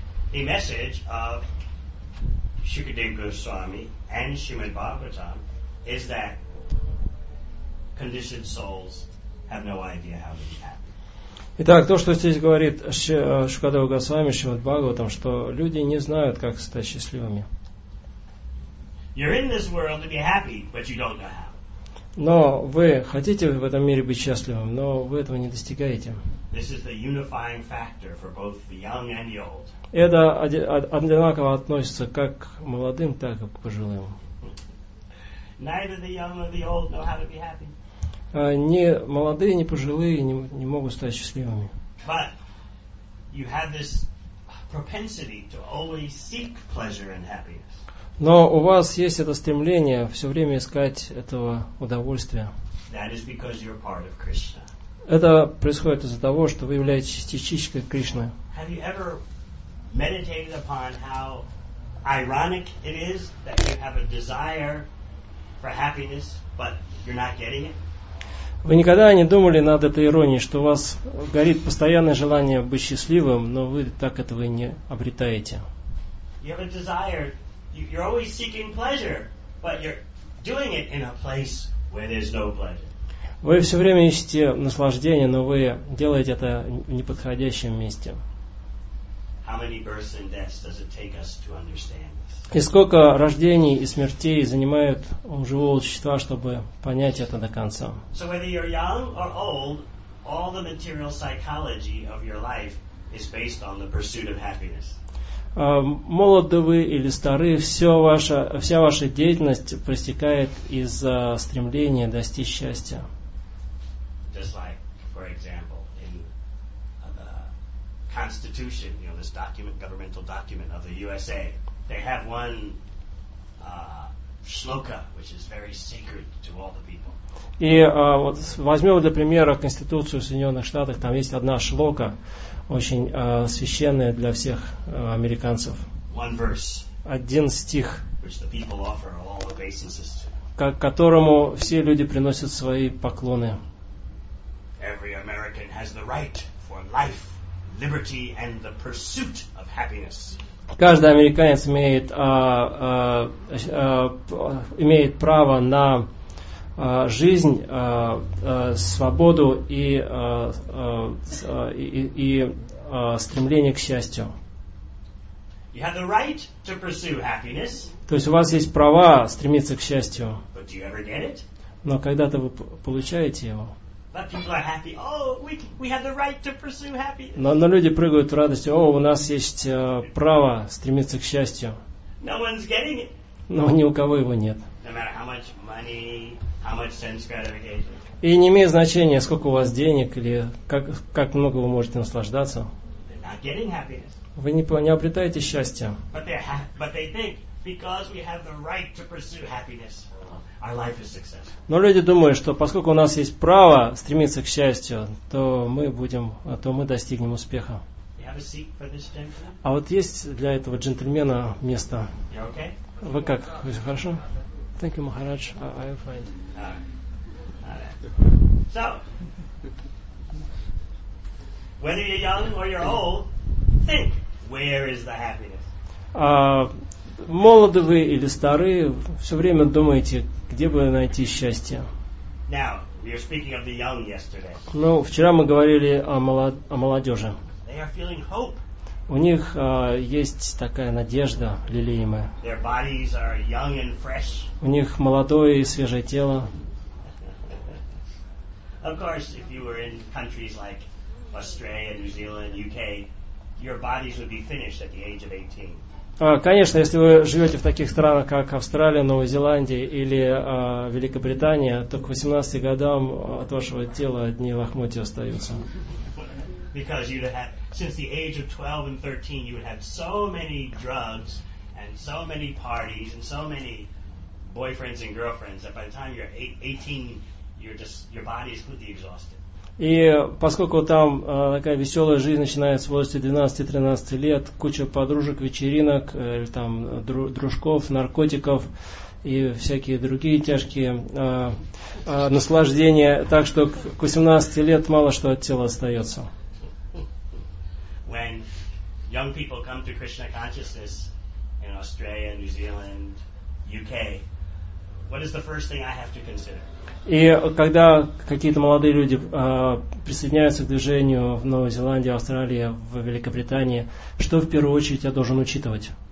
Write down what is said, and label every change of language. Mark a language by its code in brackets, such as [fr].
[en] The message of Shukadeva Goswami and Srimad Bhagavatam is that conditioned souls have no idea how to be happy. [ru] Итак, то, что здесь говорит Шукадева Госвами, Шримад Бхагаватам, что люди не знают, как стать счастливыми. [en] You're in this world to be happy, but you don't know how. [ru] Но вы хотите в этом мире быть счастливым, но вы этого не достигаете. [en] This is the unifying factor for both the young and the old. [ru] Это одинаково относится как к молодым, так и к пожилым. [en] Neither the young nor the old know how to be happy. [ru] Ни молодые, ни пожилые не могут стать счастливыми. [en] But you have this propensity to always seek pleasure and happiness. [ru] Но у вас есть это стремление все время искать этого удовольствия. [en] That is because you're part of Krishna. [ru] Это происходит из-за того, что вы являетесь частичкой Кришны. [en] Have you ever meditated upon how ironic it is that you have a desire for happiness, but you're not getting it? [ru] Вы никогда не думали над этой иронией, что у вас горит постоянное желание быть счастливым, но вы так этого и не обретаете? [en] You have a desire. You're always seeking pleasure, but you're doing it in a place where there's no pleasure. [ru] Вы все время ищете наслаждение, но вы делаете это в неподходящем месте. [en] How many births and deaths does it take us to understand this? [ru] И сколько рождений и смертей занимает у живого существа, чтобы понять это до конца? [en] So whether you're young or old, all the material psychology of your life is based on the pursuit of happiness. [ru] Молоды вы или стары, вся ваша деятельность проистекает из стремления достичь счастья. [en] Just like, for example, in the Constitution, you know, this document, governmental document of the USA, they have one shloka, which is very sacred to all the people. [ru] И вот возьмем для примера Конституцию в Соединенных Штатах, там есть одна шлока, очень священная для всех американцев. [en] One verse, [ru] один стих, [en] which the people offer all obeisances to. [ru] К которому все люди приносят свои поклоны. [en] Every American has the right for life, liberty, and the pursuit of happiness. [ru] Каждый американец имеет право на жизнь, свободу и стремление к счастью. [en] You have the right to pursue happiness. [ru] То есть у вас есть права стремиться к счастью. [en] But do you ever get it? [ru] Но когда-то вы получаете его. [en] But people are happy. Oh, we have the right to pursue happiness. [ru] Но люди прыгают в радости. О, у нас есть право стремиться к счастью. [en] No one's getting it. [ru] Но ни у кого его нет. [en] No matter how much money, how much sense gratification. [ru] И не имеет значения, сколько у вас денег или как много вы можете наслаждаться. [en] They're not getting happiness. [ru] Вы не обретаете счастья. [en] But they think because we have the right to pursue happiness. Our life is successful. [ru] Но люди думают, что поскольку у нас есть право стремиться к счастью, то мы достигнем успеха. [en] You have a seat for this gentleman? [ru] А вот есть для этого джентльмена место? [en] You're okay? [ru] Вы как? Вы хорошо? [en] Thank you, Maharaj. I'm fine. So, whether you're young or you're old, think, where is the happiness? [ru] Молоды вы или старые, все время думаете, где бы найти счастье. [en] Now, we were speaking of the young yesterday. [ru] Ну, вчера мы говорили о молодежи. [en] They are feeling hope. [ru] У них есть такая надежда лелеемая. [en] Their bodies are young and fresh. [ru] У них молодое и свежее тело. [en] Of course, if you were in countries like Australia, New Zealand, UK, your bodies would be finished at the age of 18. [ru] Конечно, если вы живете в таких странах, как Австралия, Новая Зеландия или Великобритания, то к 18 годам от вашего тела одни лохмотья остаются. [en] Because you'd have, since the age of 12 and 13, you would have so many drugs and so many parties and so many boyfriends and girlfriends that by the time you're 18, your body is completely exhausted. [ru] И поскольку там такая веселая жизнь начинается в возрасте 12-13 лет, куча подружек, вечеринок, там, дружков, наркотиков и всякие другие тяжкие наслаждения, так что к 18 лет мало что от тела остается. [en] When young people come to Krishna consciousness in Australia, New Zealand, UK, what is the first thing I have to consider? [ru] И когда какие-то молодые люди присоединяются к движению в Новой Зеландии, Австралии, в Великобритании, что в первую очередь я должен учитывать?